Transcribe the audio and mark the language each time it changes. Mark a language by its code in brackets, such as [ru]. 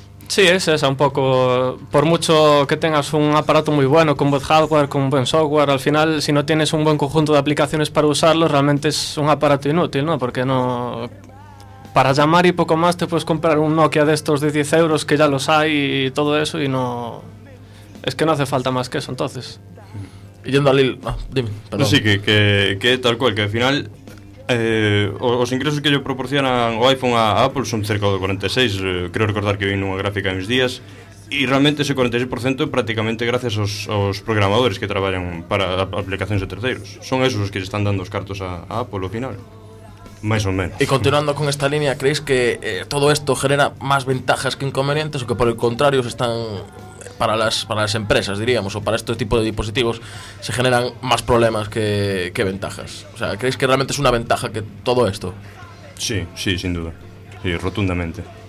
[es] Sí, es un poco, por mucho que tengas un aparato muy bueno, con buen hardware, con buen software, al final, si no tienes un buen conjunto de aplicaciones para usarlo, realmente es un aparato inútil, ¿no? Porque no, para llamar y poco más, te puedes comprar un Nokia de estos de 10 euros, que ya los hay y todo eso, y no, es que no hace falta más que eso, entonces. Yendo a Lil, dime, perdón. Sí, que tal cual, que al final... [gl] os ingresos que lle proporcionan o iPhone a Apple son cerca do 46, creo recordar que vi nunha gráfica en uns días, e realmente ese 46% é prácticamente gracias aos programadores que traballan para aplicacións de terceiros. Son esos os que están dando os cartos a Apple ao final, máis ou menos. E continuando con esta línea, [es] creéis que [gl] todo isto [es] genera máis ventajas que inconvenientes, ou que por el contrario están para las empresas, diríamos, o para este tipo de dispositivos, se generan más problemas que ventajas? O sea, ¿creéis que realmente es una ventaja que todo esto? Sí, sí, sin duda. Sí, rotundamente.